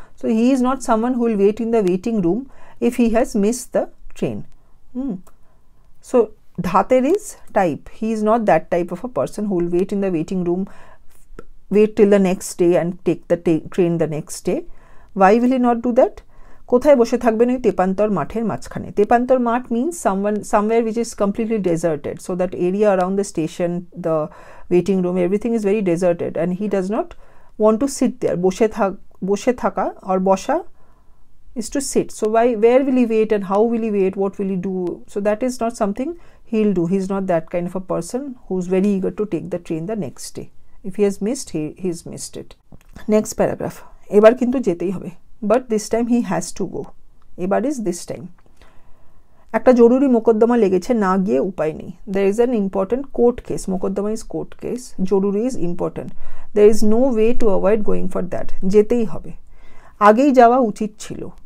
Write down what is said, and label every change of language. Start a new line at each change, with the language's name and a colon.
English: So he is not someone who will wait in the waiting room if he has missed the train. So dhater is type. He is not that type of a person who will wait in the waiting room, wait till the next day and take the train the next day. Why will he not do that?
Bangla: কোথায় বসে থাকবেন ওই তেপান্তর মাঠের মাঝখানে?
English: তেপান্তর মাঠ means somewhere which is completely deserted, so that area around the station, the waiting room, everything is very deserted and he does not want to sit there. বসে থাকা আর বসা is to sit. So why where will he wait and how will he wait, what will he do? So that is not something he will do. He is not that kind of a person who is very eager to take the train the next day. If he has missed, he is missed it. Next paragraph.
Bangla: এবার কিন্তু যেতেই হবে.
English: But this time he has to go. Ebar is this time.
Bangla: Ekta joruri mokoddoma legeche na giye upay nei.
English: There is an important court case. Mokoddoma is court case. Joruri is important. There is no way to avoid going for that.
Bangla: Jetei hobe. Agei jawa uchit chilo.